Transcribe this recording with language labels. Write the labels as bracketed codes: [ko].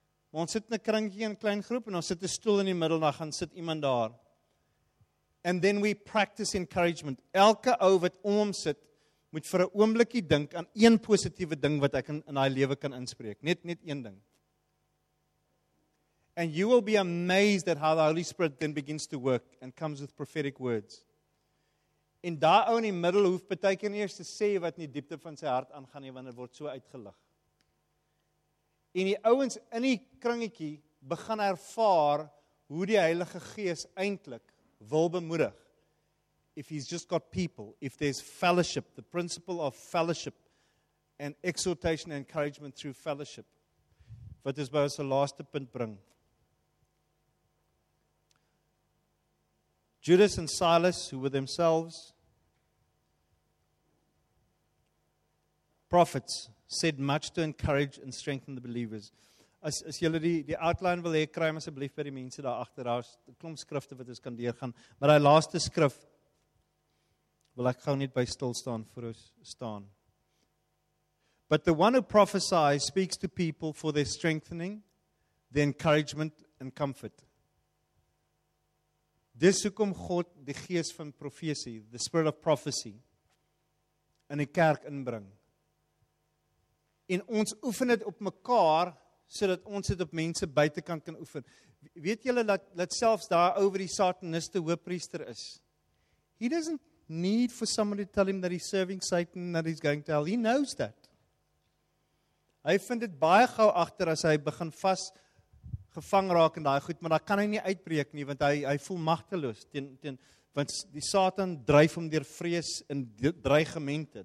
[af] Maar ons sit in 'n kringetjie in 'n klein groep en ons sit 'n stoel in die middel en dan gaan sit iemand daar. [en] And then we practice encouragement. [af] Elke ou wat om hom sit moet vir 'n oombliekie dink aan een positiewe ding wat ek in daai lewe kan inspreek. Net een ding. [en] And you will be amazed at how the Holy Spirit then begins to work and comes with prophetic words. [af] En daai ou in die middel hoef baie keer eers te sê wat in die diepte van sy hart aangaan nie, want dit word so uitgelig. En die ouens in die kringetjie begin ervaar hoe die Heilige Gees eintlik wil bemoedig. [en] If he's just got people, if there's fellowship, the principle of fellowship and exhortation and encouragement through fellowship. [af] Wat is by ons die laaste punt bring. [en] Judas and Silas, who were themselves prophets, said much to encourage and strengthen the believers. [af] As julle die outline wil hê, kry asseblief by die mense daar agter, daar's 'n klomp skrifte wat ons kan deurgaan, maar die laaste skrif wil ek gou net by stil staan vir ons staan. [en] But the one who prophesies speaks to people for their strengthening, their encouragement and comfort. [af] Dis hoekom God die gees van profesie, [en] the spirit of prophecy, [af] in die kerk inbring. En ons oefen dit op mekaar, sodat ons dit op mense buitekant kan oefen. Weet julle dat selfs daar oor die sataniste hoofpriester is? [en] He doesn't need for somebody to tell him that he's serving Satan, that he's going to hell. He knows that. [af] Hy vind dit baie gou agter as hy begin vas gevang raak in daai goed, maar daar kan hy nie uitbreek nie, want hy voel magteloos teen want die Satan dryf hom deur vrees en dreigemente.